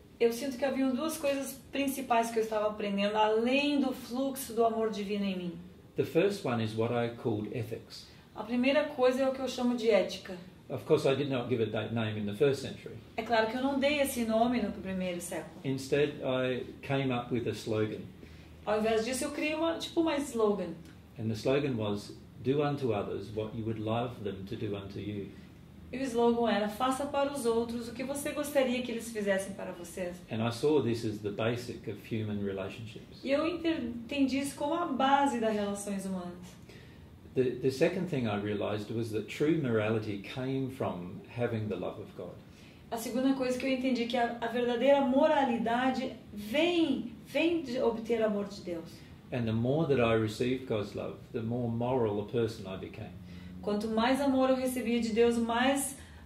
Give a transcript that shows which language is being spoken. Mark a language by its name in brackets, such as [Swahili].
[Portuguese] Eu sinto que havia duas coisas principais que eu estava aprendendo além do fluxo do amor divino em mim. [English] The first one is what I called ethics. [Portuguese] A primeira coisa é o que eu chamo de ética. [English] Of course, I did not give it that name in the first century. [Portuguese] É claro que eu não dei esse nome no primeiro século. [English] Instead, I came up with a slogan. [Portuguese] Ao invés disso, eu criei uma, tipo uma slogan. [English] And the slogan was, "Do unto others what you would love them to do unto you." [Portuguese] E o slogan era, "Faça para os outros o que você gostaria que eles fizessem para vocês." [English] And I saw this as the basic of human relationships. [Portuguese] E eu entendi isso como a base das relações humanas. [English] The second thing I realized was that true morality came from having the love of God. [Portuguese] A segunda coisa que eu entendi que a verdadeira moralidade vem de obter amor de Deus. [English] And the more that I received God's love, the more moral a person I became. [Portuguese] Quanto mais amor eu recebia de Deus, mais